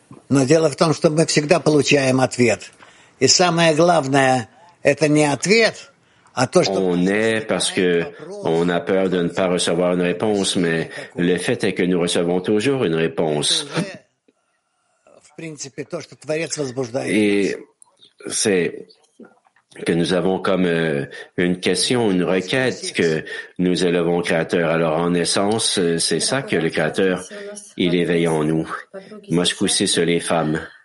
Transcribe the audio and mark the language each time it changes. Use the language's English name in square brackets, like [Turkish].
[Russian] Но дело в том, что мы всегда получаем ответ. И самое главное, это не ответ, а то, что... [French] On est parce qu'on a peur de ne pas recevoir une réponse, mais le fait est que nous recevons toujours une réponse. [Russian] В принципе, то, что Творец возбуждает. [French] Et c'est que nous avons comme une question, une requête que nous élevons au Créateur. Alors en essence, c'est ça que le Créateur, il éveille en nous. Moscou, c'est sur les femmes.